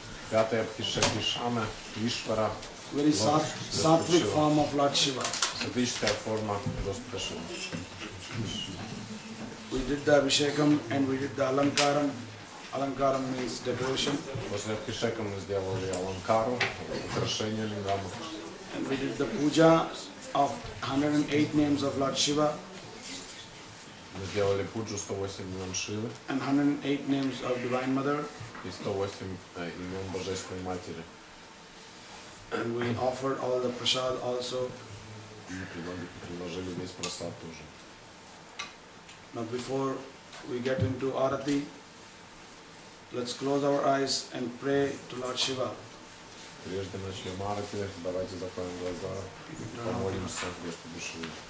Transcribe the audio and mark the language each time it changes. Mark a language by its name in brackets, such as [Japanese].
[Russian] Пятый Абхишек Ишана, Ишвара. [English] Very sattvic form of Lord Shiva. [Russian] Сатвическая форма Господа Шива. [English] We did the Abhishekam and we did the Alankaram. Alankaram means decoration. [Russian] После Абхишека мы сделали Аланкару, украшение лингамов. [English] And we did the puja of 108 names of Lord Shiva. [Russian] Мы сделали пуджу 108 имен Шивы [English] and 108 names of Divine Mother. [Russian] И 108 имен Божественной Матери. [English] And we offered all the prasad also. [Russian] Мы предложили весь прасад тоже. [English] Now before we get into arati, let's close our eyes and pray to Lord Shiva. [Russian] Прежде начнем арати, давайте закроем глаза и помолимся Господу Шиве.